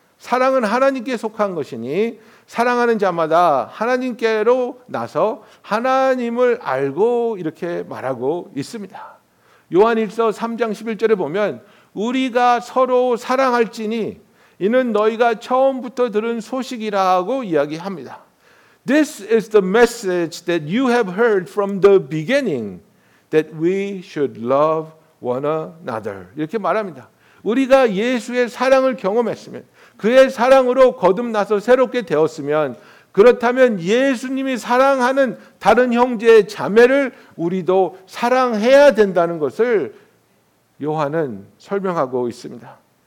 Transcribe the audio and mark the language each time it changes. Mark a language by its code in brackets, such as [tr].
[ko] 사랑은 하나님께 속한 것이니 사랑하는 자마다 하나님께로 나서 하나님을 알고, 이렇게 말하고 있습니다. 요한일서 3장 11절에 보면 우리가 서로 사랑할지니 이는 너희가 처음부터 들은 소식이라고 이야기합니다. [en] This is the message that you have heard from the beginning, that we should love one another. [ko] 이렇게 말합니다. 우리가 예수의 사랑을 경험했으면, 그의 사랑으로 거듭나서 새롭게 되었으면, 그렇다면 예수님이 사랑하는 다른 형제 자매를 우리도 사랑해야 된다는 것을 요한은 설명하고 있습니다.